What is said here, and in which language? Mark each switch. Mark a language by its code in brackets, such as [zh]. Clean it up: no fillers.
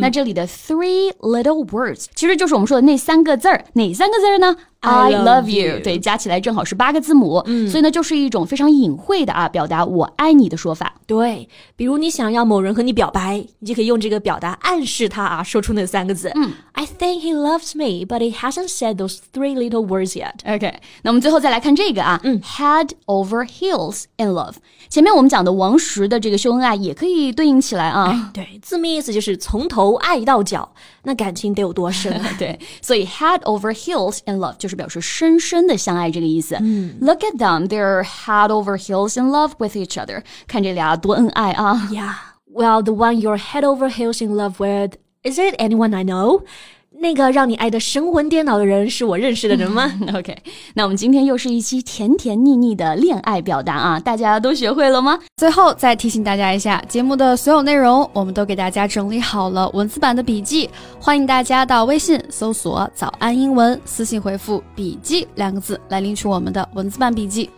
[zh] 那这里的 three little words 其实就是我们说的那三个字儿，哪三个字儿呢？ [en] I love you. [zh] 对，加起来正好是八个字母、嗯、所以呢就是一种非常隐晦的啊表达我爱你的说法。对，比如你想要某人和你表白，你就可以用这个表达暗示他啊，说出那三个字、嗯、 [en] I think he loves me, but he hasn't said those three little words yet. [zh] OK, 那我们最后再来看这个啊、嗯、 [en] Head over heels in love. [zh] 前面我们讲的王石的这个秀恩爱也可以对应起来啊、哎、对，字面意思就是从头爱到脚，那感情得有多深对，所以 head over heels in love 就是表示深深的相爱这个意思、嗯、 [en] Look at them, they're head over heels in love with each other. [zh] 看这俩多恩爱啊。 [en] Yeah, well, the one you're head over heels in love withIs it anyone I know? [zh] 那个让你爱得神魂颠倒的人是我认识的人吗？OK, 那我们今天又是一期甜甜腻腻的恋爱表达啊，大家都学会了吗？最后再提醒大家一下，节目的所有内容我们都给大家整理好了文字版的笔记，欢迎大家到微信搜索早安英文，私信回复笔记两个字来领取我们的文字版笔记。